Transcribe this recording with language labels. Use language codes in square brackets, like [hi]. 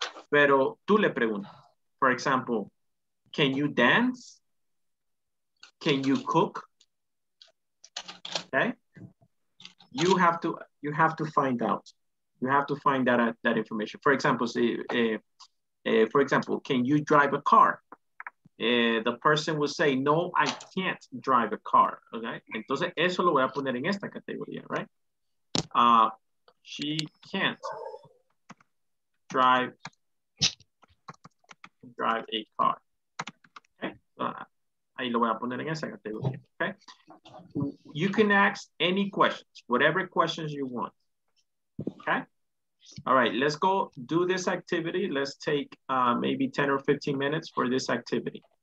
[es] Pero tú le preguntas, [en] for example, can you dance? Can you cook? Okay? You have to find out. You have to find that information. For example, say, for example, can you drive a car? The person will say, no, I can't drive a car, okay? [es] Entonces, eso lo voy a poner en esta categoría, right? [en] She can't drive a car, okay? [es] Ahí lo voy a poner en esa categoría, okay? [en] You can ask any questions, whatever questions you want, okay? All right, let's go do this activity. Let's take maybe 10 or 15 minutes for this activity.